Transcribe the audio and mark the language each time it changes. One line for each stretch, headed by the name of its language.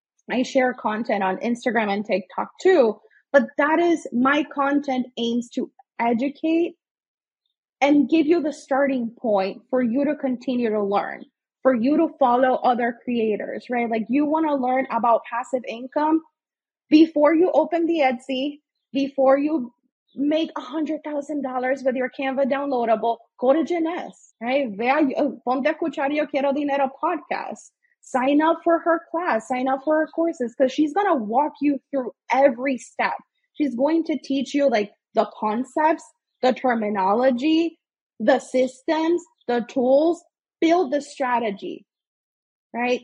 English: I share content on Instagram and TikTok too, but that is my content, aims to educate and give you the starting point for you to continue to learn, for you to follow other creators, right? Like, you want to learn about passive income before you open the Etsy, before you make $100,000 with your Canva downloadable, go to Jeunesse, right?
Spanish: Vea, ponte a escuchar Yo Quiero Dinero podcast.
English: Sign up for her class, sign up for her courses, because she's going to walk you through every step. She's going to teach you like the concepts, the terminology, the systems, the tools, build the strategy, right?